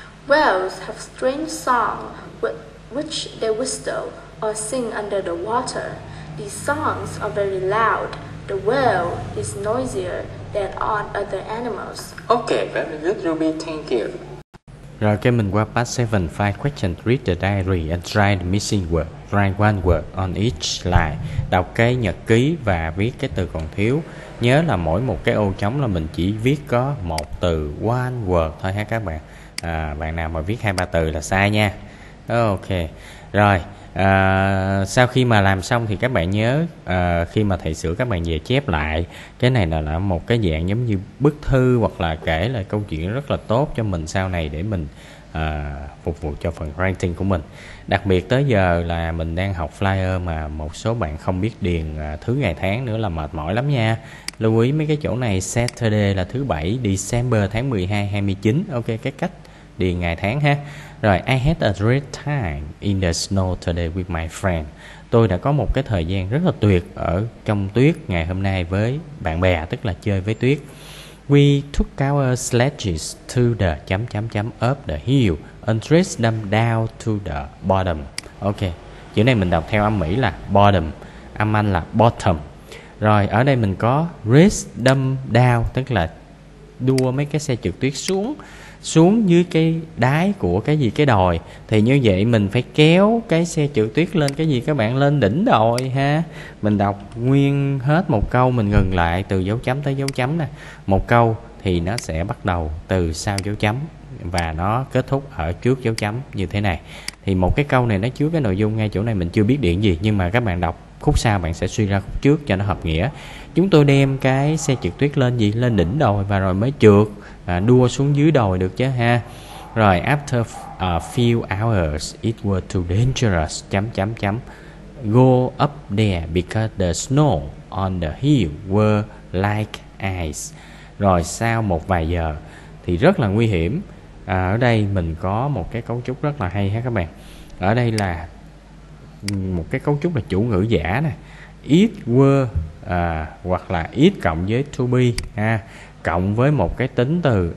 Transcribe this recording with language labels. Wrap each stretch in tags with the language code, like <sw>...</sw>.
<en>Whales have strange song with which they whistle or sing under the water. These songs are very loud. The whale is noisier than all other animals. Okay, very good, Ruby. Thank you.</en> <vi>Rồi cái mình qua</vi> <en>part 7, 5 questions, read the diary and try the missing word. Write one word on each line.</en> <vi>Đọc cái nhật ký và viết cái từ còn thiếu. Nhớ là mỗi một cái ô trống là mình chỉ viết có một từ,</vi> <en>one word</en> <vi>thôi ha các bạn. À, bạn nào mà viết hai ba từ là sai nha. Ok, rồi sau khi mà làm xong thì các bạn nhớ khi mà thầy sửa các bạn về chép lại. Cái này là một cái dạng giống như bức thư hoặc là kể lại câu chuyện rất là tốt cho mình sau này để mình phục vụ cho phần writing của mình. Đặc biệt tới giờ là mình đang học flyer mà một số bạn không biết điền thứ ngày tháng nữa là mệt mỏi lắm nha. Lưu ý mấy cái chỗ này, Saturday là thứ bảy, December tháng 12, 29. Ok, cái cách điền ngày tháng ha. Rồi,</vi> <en>I had a great time in the snow today with my friend.</en> <vi>Tôi đã có một cái thời gian rất là tuyệt ở trong tuyết ngày hôm nay với bạn bè, tức là chơi với tuyết.</vi> <en>We took our sledges to the</en> <vi>chấm chấm chấm</vi> <en>up the hill and raced them down to the bottom.</en> <vi>Ok, chữ này mình đọc theo âm Mỹ là</vi> <en>bottom,</en> <vi>âm Anh là</vi> <en>bottom.</en> <vi>Rồi, ở đây mình có</vi> <en>race dumb down,</en> <vi>tức là đua mấy cái xe trượt tuyết xuống, xuống dưới cái đáy của cái gì, cái đồi. Thì như vậy mình phải kéo cái xe trượt tuyết lên cái gì các bạn, lên đỉnh đồi ha. Mình đọc nguyên hết một câu, mình ngừng lại từ dấu chấm tới dấu chấm nè. Một câu thì nó sẽ bắt đầu từ sau dấu chấm và nó kết thúc ở trước dấu chấm như thế này. Thì một cái câu này nó chứa cái nội dung ngay chỗ này mình chưa biết điện gì, nhưng mà các bạn đọc khúc sau bạn sẽ suy ra khúc trước cho nó hợp nghĩa. Chúng tôi đem cái xe trượt tuyết lên gì, lên đỉnh đồi và rồi mới trượt đua xuống dưới đồi được chứ ha. Rồi</vi> <en>after a few hours it was too dangerous go up there because the snow on the hill were like ice.</en> <vi>Rồi sau một vài giờ thì rất là nguy hiểm. Ở đây mình có một cái cấu trúc rất là hay ha các bạn. Ở đây là một cái cấu trúc là chủ ngữ giả nè.</vi> <en>It were</en> <vi>hoặc là it cộng với to be ha, cộng với một cái tính từ.</vi>